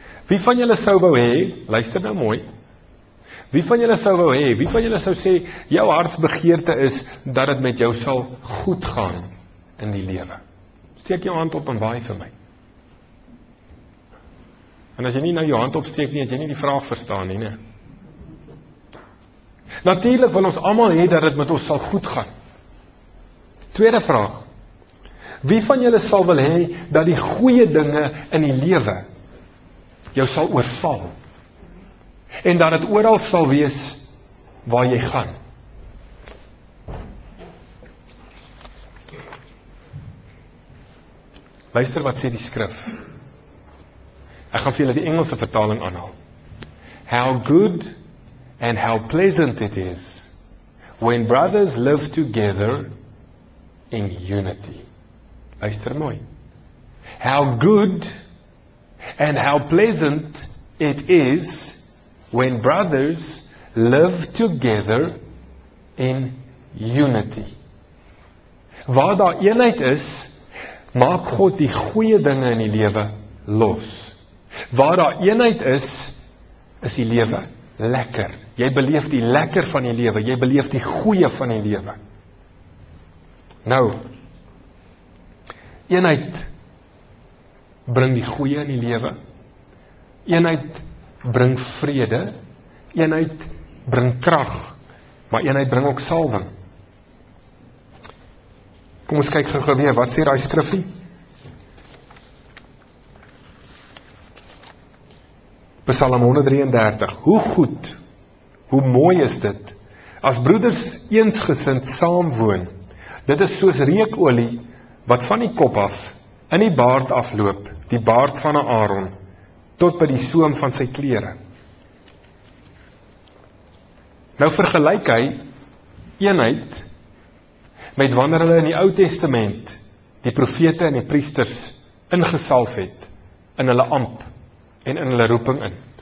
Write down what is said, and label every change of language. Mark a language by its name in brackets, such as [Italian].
[Afrikaans] Wie van julle sou wou hê, luister nou mooi, wie van julle sou wou hê, wie van julle sou sê, jou hartsbegeerte is dat het met jou sal goed gaan in die lewe? Steek jou hand op en waai vir my. En as jy nie nou jou hand opsteek nie, het jy nie die vraag verstaan nie, nie. Natuurlik wil ons allemaal hê dat het met ons sal goed gaan. Tweede vraag, Wie van julle sal wil hê dat die goeie dinge in die lewe jou sal oorval? En dat het oral sal wees waar jy gaan. Luister wat sê die skrif. Ek gaan vir julle die Engelse vertaling aanhaal. [English] How good and how pleasant it is when brothers live together in unity. [Afrikaans] Luister mooi. [English] How good and how pleasant it is when brothers live together in unity. [Afrikaans] Waar daar eenheid is, maak God die goeie dinge in die lewe los. Waar daar eenheid is, is die lewe lekker. Jy beleef die lekker van die lewe, jy beleef die goeie van die lewe. Nou, eenheid bring die goeie in die lewe. Eenheid bring vrede. Eenheid bring krag, maar eenheid bring ook salwing. Kom ons kyk gou weer, wat sê daai skrifie? Psalm 133. Hoe goed, hoe mooi is dit as broeders eensgesind saamwoon. Dit is soos reukolie wat van die kop af in die baard afloop, die baard van 'n Aaron tot by die soem van sy klere. Nou vergelyk hy eenheid met wanneer hulle in die Ou Testament die profete en die priesters ingesalf het in hulle amp en in hulle roeping in.